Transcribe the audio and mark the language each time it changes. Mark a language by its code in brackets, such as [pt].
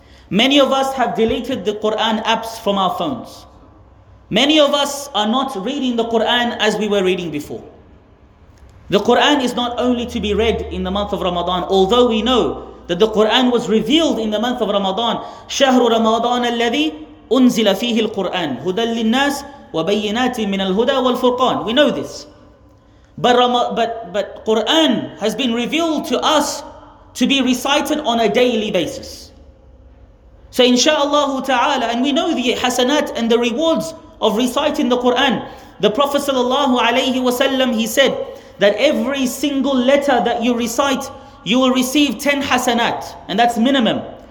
[en] Many of us have deleted the Quran apps from our phones. Many of us are not reading the Quran as we were reading before. The Quran is not only to be read in the month of Ramadan, although we know that the Quran was revealed in the month of Ramadan. [ar] شهر رمضان الذي أنزل فيه القرآن هدى للناس وَبَيِّنَاتٍ مِّنَ الْهُدَى وَالْفُرْقَانِ. [en] We know this. But Quran has been revealed to us to be recited on a daily basis. So inshaAllah ta'ala, and we know the hasanat and the rewards of reciting the Quran. The Prophet sallallahu alayhi wasallam, he said that every single letter that you recite, you will receive 10 hasanat. And that's minimum.